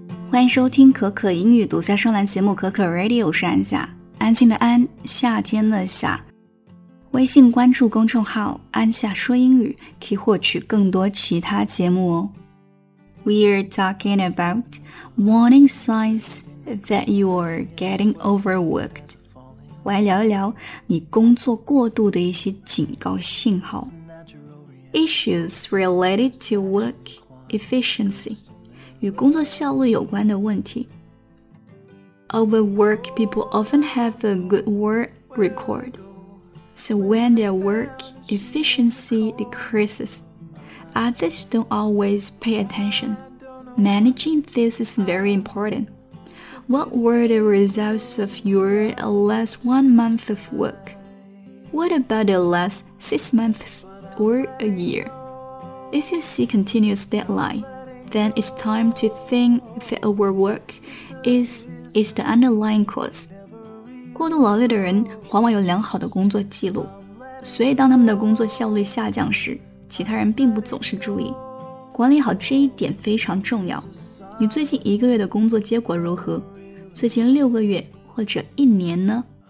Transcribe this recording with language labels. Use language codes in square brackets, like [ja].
[zh] 欢迎收听可可英语独家专栏节目可可 Radio， 我是安夏，安静的安，夏天的夏。微信关注公众号安夏说英语，可以获取更多其他节目哦。 [en] We're talking about warning signs that you are getting overworked. [zh] 来聊一聊你工作过度的一些警告信号。 [en] Issues related to work efficiency. [zh] 与工作效率有关的问题。 [en] Overwork people often have a good work record. So when their work efficiency decreases,Others don't always pay attention. Managing this is very important. What were the results of your last 1 month of work? What about the last 6 months or a year? If you see continuous deadline, then it's time to think that overwork is the underlying cause. [zh] 过度劳累的人往往有良好的工作记录，所以当他们的工作效率下降时，其他人并不总是注意，管理好这一点非常重要。你最近一个月的工作结果如何？最近6个月或者一年呢？